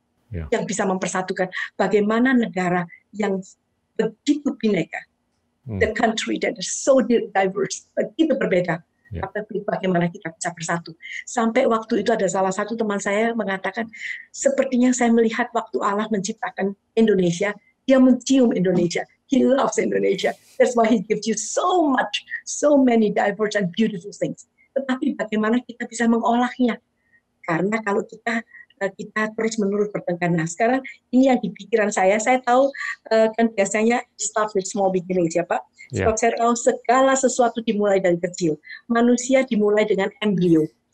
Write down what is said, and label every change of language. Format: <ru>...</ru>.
<id>Ya. Yang bisa mempersatukan bagaimana negara yang begitu bineka,</id> <en>the country that is so diverse,</en> <id>begitu berbeda. Ya. Tapi bagaimana kita bisa bersatu. Sampai waktu itu ada salah satu teman saya mengatakan, sepertinya saya melihat waktu Allah menciptakan Indonesia, dia mencium Indonesia.</id> <en>He loves Indonesia. That's why he gives you so much, so many diverse and beautiful things.</en> <id>Tetapi bagaimana kita bisa mengolahnya? Karena kalau kita terus-menerus bertengkar. Nah, sekarang ini yang di pikiran saya tahu kan biasanya</id> <en>start with small beginnings</en> <id>ya Pak. Yeah. Sebab saya tahu segala sesuatu dimulai dari kecil. Manusia dimulai dengan embrio.</id>